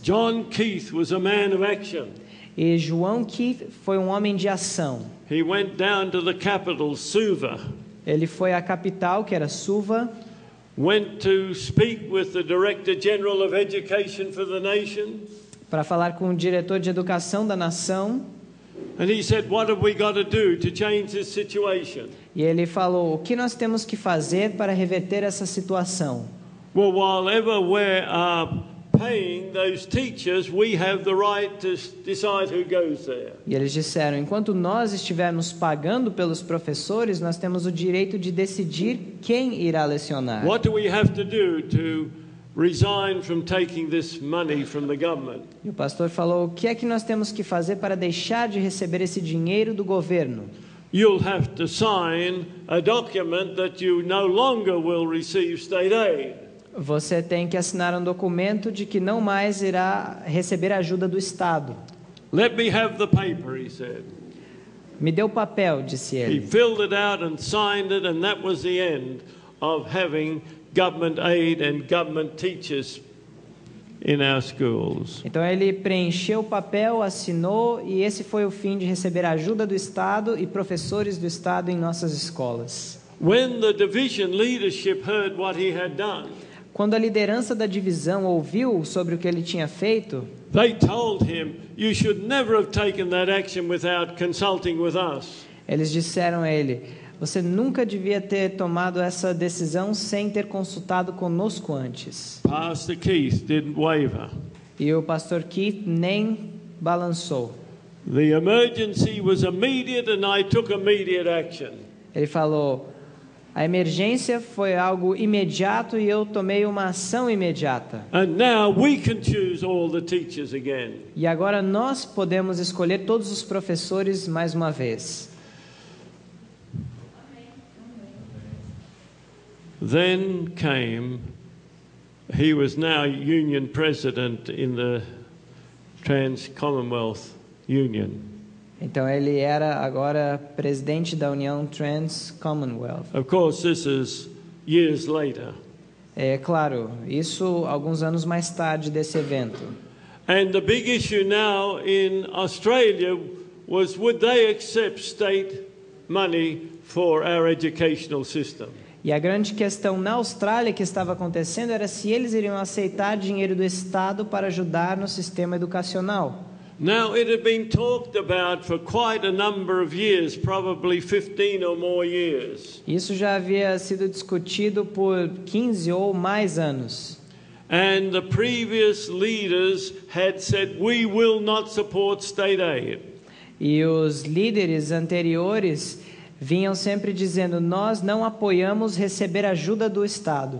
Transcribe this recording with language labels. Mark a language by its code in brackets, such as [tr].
[en] John Keith was a man of action. [pt] E João Keith foi um homem de ação. [en] He went down to the capital, Suva. [pt] Ele foi à capital, que era Suva. [en] Went to speak with the Director General of Education for the nation. [pt] Para falar com o diretor de educação da nação. [en] And he said, "What have we got to do to change this situation?" [pt] E ele falou, o que nós temos que fazer para reverter essa situação? [en] Well, while ever we are paying those teachers, we have the right to decide who goes there. [pt] E eles disseram, enquanto nós estivermos pagando pelos professores, nós temos o direito de decidir quem irá lecionar. [en] What do we have to do to resign from taking this money from the government? [pt] E o pastor falou, o que é que nós temos que fazer para deixar de receber esse dinheiro do governo? [en] You'll have to sign a document that you no longer will receive state aid. [pt] Você tem que assinar um documento de que não mais irá receber ajuda do estado. [en] Let me have the paper, he said. [pt] Me dê o papel, disse ele. [en] He filled it out and signed it, and that was the end of having government aid and government teachers in our schools. [pt] Então ele preencheu o papel, assinou e esse foi o fim de receber ajuda do estado e professores do estado em nossas escolas. [en] When the division leadership heard what he had done, [pt] Quando a liderança da divisão ouviu sobre o que ele tinha feito, [en] they told him, you should never have taken that action without consulting with us. [pt] Eles disseram a ele, você nunca devia ter tomado essa decisão sem ter consultado conosco antes. [en] Pastor Keith didn't waver. [pt] E o pastor Keith nem balançou. [en] The emergency was immediate and I took immediate action. [pt] Ele falou, a emergência foi algo imediato e eu tomei uma ação imediata. [en] And now we can choose all the teachers again. [pt] E agora nós podemos escolher todos os professores mais uma vez. [en] Then came, he was now union president in the Trans-Commonwealth Union. [pt] Então ele era agora presidente da União Trans-Commonwealth. [en] Of course, this is years later. [pt] É claro, isso alguns anos mais tarde desse evento. [en] And the big issue now in Australia was, would they accept state money for our educational system? [pt] E a grande questão na Austrália que estava acontecendo era se eles iriam aceitar dinheiro do Estado para ajudar no sistema educacional. [en] Now it had been talked about for quite a number of years, probably 15 or more years. [pt] Isso já havia sido discutido por 15 ou mais anos. [en] And the previous leaders had said, we will not support state aid. [pt] E os líderes anteriores vinham sempre dizendo, nós não apoiamos receber ajuda do Estado.